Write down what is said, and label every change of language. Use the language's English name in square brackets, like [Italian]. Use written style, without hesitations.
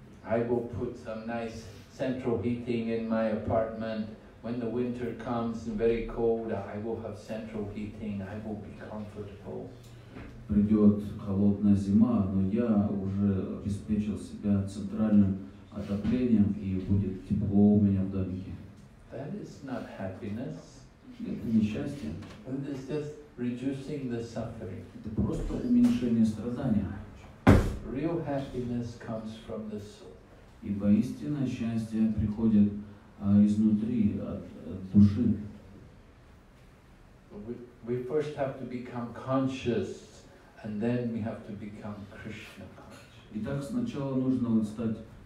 [English] I will put some nice central heating in my apartment. When the winter comes and very cold, I will have central heating. I will be comfortable. [Russian] Придет холодная зима, но я уже обеспечил себя центральным отоплением и будет тепло у меня в домике. [English] That is not happiness. [Russian] Это не счастье. [English] It is just reducing the suffering. [Russian] Это просто уменьшение страдания. [English] Real happiness comes from the soul. [Russian] Ибо истинное счастье приходит изнутри, от души. [English] We first have to become conscious, and then we have to become Krishna conscious. [Russian] Итак, сначала нужно вот стать